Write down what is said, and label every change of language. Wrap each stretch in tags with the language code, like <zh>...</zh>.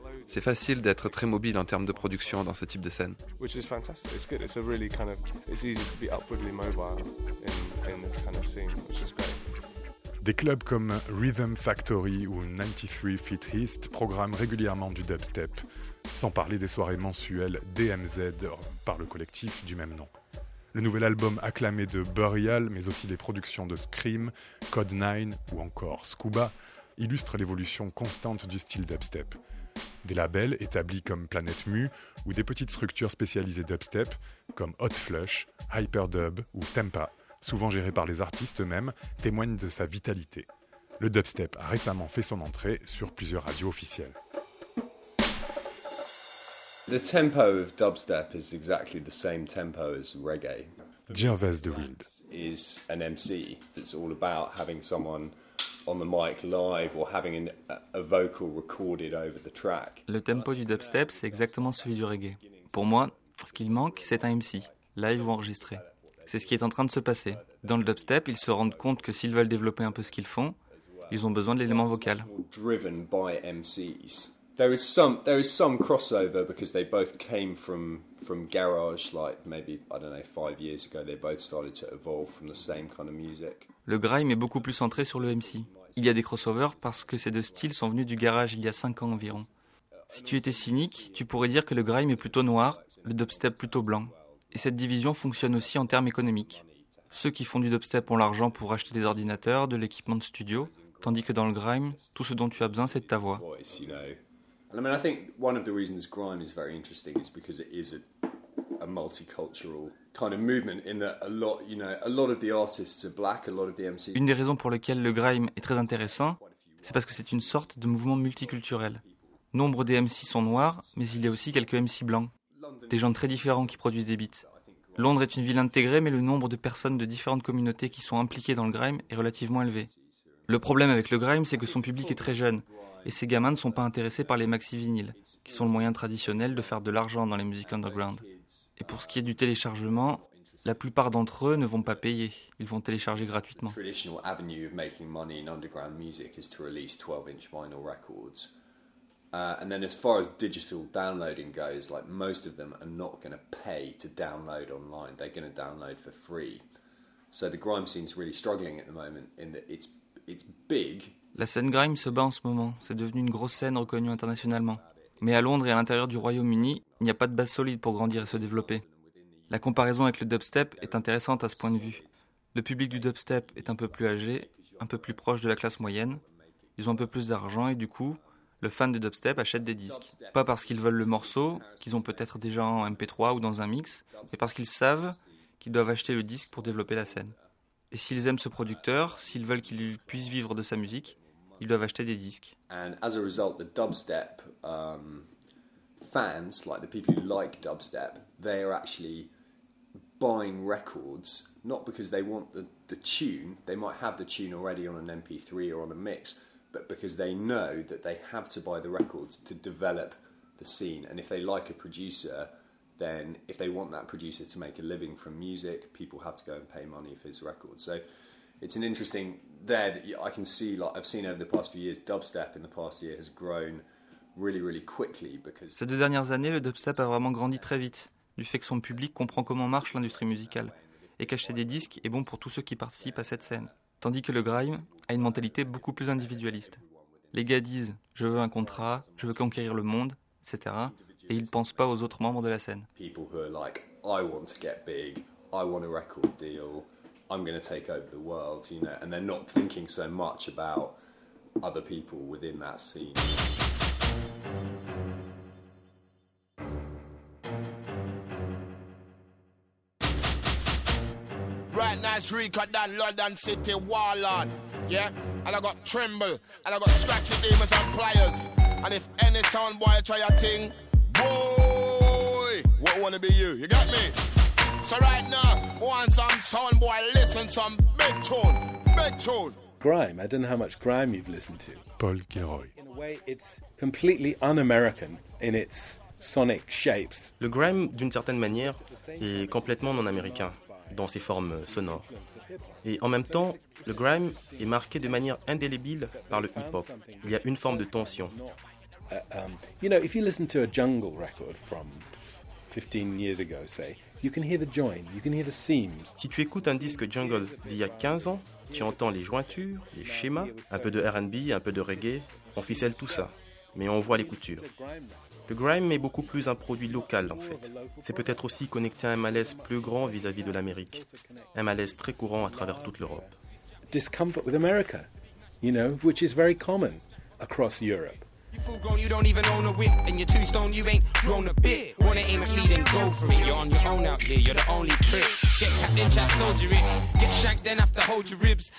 <fr>C'est facile d'être très mobile en termes de production dans ce type de scène.</fr> <en>Which is fantastic. It's good. It's a really kind of. It's easy to be upwardly mobile in this kind of scene, which is great.</en> <fr>Des clubs comme Rhythm Factory ou 93 Feet East programment régulièrement du dubstep, sans parler des soirées mensuelles DMZ par le collectif du même nom. Le nouvel album acclamé de Burial, mais aussi des productions de Scream, Code 9 ou encore Scuba, illustre l'évolution constante du style dubstep. Des labels établis comme Planet Mu ou des petites structures spécialisées dubstep comme Hot Flush, Hyperdub ou Tempa, souvent gérés par les artistes eux-mêmes, témoignent de sa vitalité. Le dubstep a récemment fait son entrée sur plusieurs radios officielles.</fr> <en>The tempo of dubstep is exactly the same tempo as reggae. Gervais De Wild is an MC that's all about having someone on the mic live or having a vocal recorded over the track.</en> <fr>Le tempo du dubstep, c'est exactement celui du reggae. Pour moi, ce qu'il manque, c'est un MC, live ou enregistré. C'est ce qui est en train de se passer. Dans le dubstep, ils se rendent compte que s'ils veulent développer un peu ce qu'ils font, ils ont besoin de l'élément vocal.</fr> <en>Driven by MCs. There is some crossover because they both came from garage, like maybe I don't know 5 years ago. They both started to evolve from the same kind of music.</en> <fr>Le grime est beaucoup plus centré sur le MC. Il y a des crossovers parce que ces deux styles sont venus du garage il y a 5 ans environ. Si tu étais cynique, tu pourrais dire que le grime est plutôt noir, le dubstep plutôt blanc. Et cette division fonctionne aussi en termes économiques. Ceux qui font du dubstep ont l'argent pour acheter des ordinateurs, de l'équipement de studio, tandis que dans le grime, tout ce dont tu as besoin, c'est de ta voix.</fr> <en>And I mean, I think one of the reasons grime is very interesting is because it is a multicultural kind of movement. In that, a lot of the artists are black, a lot of the MCs.</en> <fr>Une des raisons pour lesquelles le grime est très intéressant, c'est parce que c'est une sorte de mouvement multiculturel. Nombre des MC sont noirs, mais il y a aussi quelques MC blancs, des gens très différents qui produisent des beats. Londres est une ville intégrée, mais le nombre de personnes de différentes communautés qui sont impliquées dans le grime est relativement élevé. Le problème avec le grime, c'est que son public est très jeune. Et ces gamins ne sont pas intéressés par les maxi-vinyles, qui sont le moyen traditionnel de faire de l'argent dans les musiques underground. Et pour ce qui est du téléchargement, la plupart d'entre eux ne vont pas payer, ils vont télécharger gratuitement. La traditionnelle avenue de faire de l'argent dans la musique underground est de</fr> <en>release 12-inch vinyl records.</en> <fr>Et puis,</fr> <en>as far as digital downloading goes, like most of them are not going to pay to download online, they're going to download for free. So the grime scene is really struggling at the moment in that it's big.</en> <fr>La scène grime se bat en ce moment, c'est devenu une grosse scène reconnue internationalement. Mais à Londres et à l'intérieur du Royaume-Uni, il n'y a pas de base solide pour grandir et se développer. La comparaison avec le dubstep est intéressante à ce point de vue. Le public du dubstep est un peu plus âgé, un peu plus proche de la classe moyenne. Ils ont un peu plus d'argent et du coup, le fan du dubstep achète des disques. Pas parce qu'ils veulent le morceau, qu'ils ont peut-être déjà en MP3 ou dans un mix, mais parce qu'ils savent qu'ils doivent acheter le disque pour développer la scène. Et s'ils aiment ce producteur, s'ils veulent qu'il puisse vivre de sa musique, ils doivent acheter des disques.</fr> <en>And as a result, the dubstep fans, like the people who like dubstep, they are actually buying records not because they want the tune. They might have the tune already on an MP3 or on a mix, but because they know that they have to buy the records to develop the scene. And if they like a producer, then if they want that producer to make a living from music, people have to go and pay money for his records. So it's an interesting there that I can see, like I've seen over the past few years, dubstep in the past year has grown really, really quickly because.</en> <fr>Ces deux dernières années, le dubstep a vraiment grandi très vite, du fait que son public comprend comment marche l'industrie musicale et qu'acheter des disques est bon pour tous ceux qui participent à cette scène. Tandis que le grime a une mentalité beaucoup plus individualiste. Les gars disent, je veux un contrat, je veux conquérir le monde, etc. Et ils ne pensent pas aux autres membres de la scène.</fr> <en>People who are like, I want to get big, I want a record deal, I'm going to take over the world, you know, and they're not thinking so much about other people within that scene. Right now, it's Rico down London City, Wallon, yeah? And I got Tremble, and I got Scratchy Demons and Pliers. And if any town boy try a thing, boy, what wanna be you? You got me? So right now, want some sound, boy, listen some big tune, big tune. Grime, I don't know how much grime you've listened to. Paul Gilroy. In a way, it's completely un-American in its sonic shapes.</en> <fr>Le grime, d'une certaine manière, est complètement non-américain dans ses formes sonores. Et en même temps, le grime est marqué de manière indélébile par le hip-hop. Il y a une forme de tension.</fr> <en>You know, if you listen to a jungle record from 15 years ago, say, you can hear the join, you can hear the seams.</en> <fr>Si tu écoutes un disque jungle d'il y a 15 ans, tu entends les jointures, les schémas, un peu de R&B, un peu de reggae, on ficelle tout ça, mais on voit les coutures. Le grime est beaucoup plus un produit local, en fait. C'est peut-être aussi connecté à un malaise plus grand vis-à-vis de l'Amérique, un malaise très courant à travers toute l'Europe.</fr> <en>Discomfort with America, you know, which is very common across Europe. You full grown, you don't even own a whip, and you're two stone, you ain't grown a bit. Wanna aim a lead and go for it, you're on your own out here, you're the only trick. Get captain, chat, soldier it. Get shanked, then have to hold your ribs.</en>